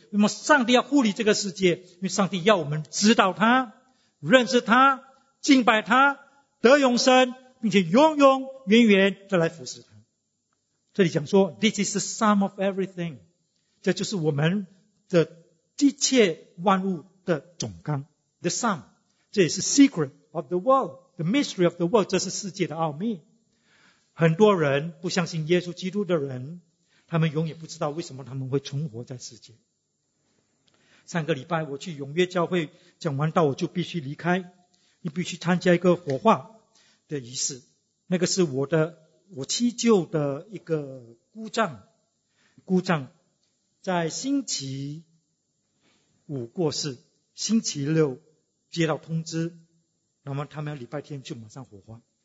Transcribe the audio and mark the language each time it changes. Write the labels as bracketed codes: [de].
[zh] 为什么上帝要护理这个世界？因为上帝要我们知道他，认识他，敬拜他，得永生，并且永永远远的来服侍他。这里讲说 [en] This is the sum of everything， [zh] 这就是我们的一切万物的总纲。 [en] The sum， [zh] 这也是 [en] secret of the world， the mystery of the world， [zh] 这是世界的奥秘。很多人不相信耶稣基督的人，他们永远不知道为什么他们会存活在世界。上个礼拜我去永约教会讲完道，我就必须离开，你必须参加一个火化的仪式。那个是我七舅的一个姑丈在星期五过世，星期六接到通知，那么他们礼拜天就马上火化。